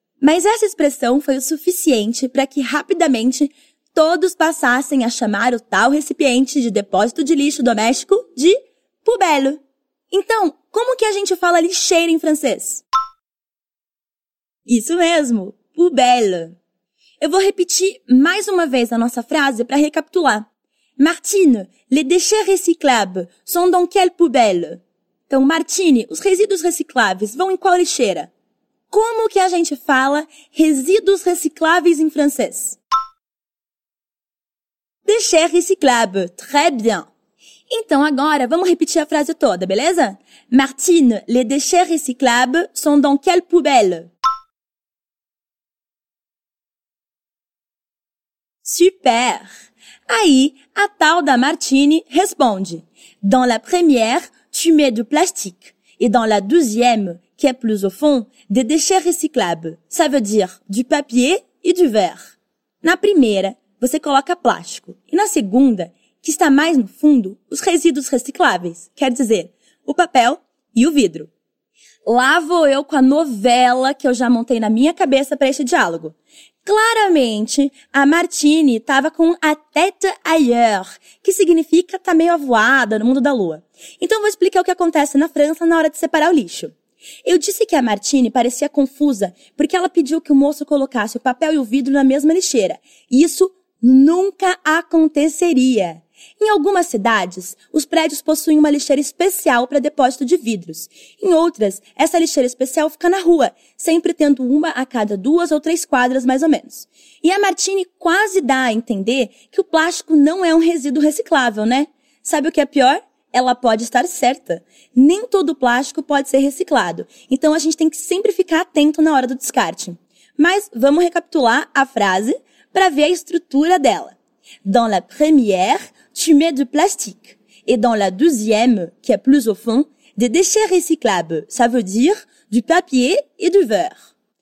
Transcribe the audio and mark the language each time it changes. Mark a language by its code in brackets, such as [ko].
[pt] Mas essa expressão foi o suficiente para que rapidamente todos passassem a chamar o tal recipiente de depósito de lixo doméstico de poubelle. Então, como que a gente fala lixeira em francês? Isso mesmo, poubelle. Eu vou repetir mais uma vez a nossa frase para recapitular. [fr] Martine, les déchets recyclables sont dans quelle poubelle? [pt] Então, Martine, os resíduos recicláveis vão em qual lixeira? Como que a gente fala resíduos recicláveis em francês? [fr] Déchets recyclables, très bien. [pt] Então, agora, vamos repetir a frase toda, beleza? [fr] Martine, les déchets recyclables sont dans quelle poubelle? [pt] Super! Aí, a tal da Martine responde. [fr] Dans la première, tu mets du plastique. Et dans la deuxième, qui est plus au fond, des déchets recyclables. Ça veut dire du papier et du verre. [pt] Na primeira, você coloca plástico. E na segunda, que está mais no fundo, os resíduos recicláveis. Quer dizer, o papel e o vidro. Lá vou eu com a novela que eu já montei na minha cabeça para este diálogo. Claramente, a Martine estava com a [fr] tête ailleurs, [pt] que significa tá meio avoada no mundo da lua. Então, vou explicar o que acontece na França na hora de separar o lixo. Eu disse que a Martine parecia confusa porque ela pediu que o moço colocasse o papel e o vidro na mesma lixeira. Isso nunca aconteceria. Em algumas cidades, os prédios possuem uma lixeira especial para depósito de vidros. Em outras, essa lixeira especial fica na rua, sempre tendo uma a cada 2 ou 3 quadras, mais ou menos. E a Martine quase dá a entender que o plástico não é um resíduo reciclável, né? Sabe o que é pior? Ela pode estar certa. Nem todo plástico pode ser reciclado, então a gente tem que sempre ficar atento na hora do descarte. Mas vamos recapitular a frase para ver a estrutura dela. [fr] Dans la première, tu mets du plastique. Et dans la deuxième, qui est plus au fond, des déchets recyclables. Ça veut dire du papier et du verre.